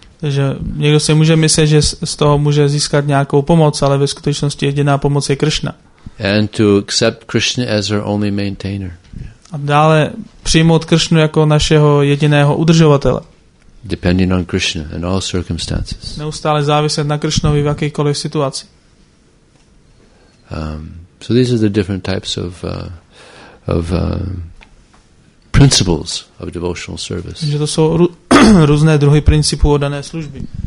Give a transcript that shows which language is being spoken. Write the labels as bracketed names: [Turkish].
[Czech] Takže někdo si může myslet, že z toho může získat nějakou pomoc, ale ve skutečnosti jediná pomoc je Krishna. [English] And to accept Krishna as our only maintainer. [Czech] A dále přijmout Krishnu jako našeho jediného udržovatele. [English] Depending on Krishna in all circumstances. [Czech] Neustále záviset na Krishnovi v jakékoliv situaci. [English] So these are the different types of principles of devotional service. [Czech] Že to jsou různé druhy principů oddané služby.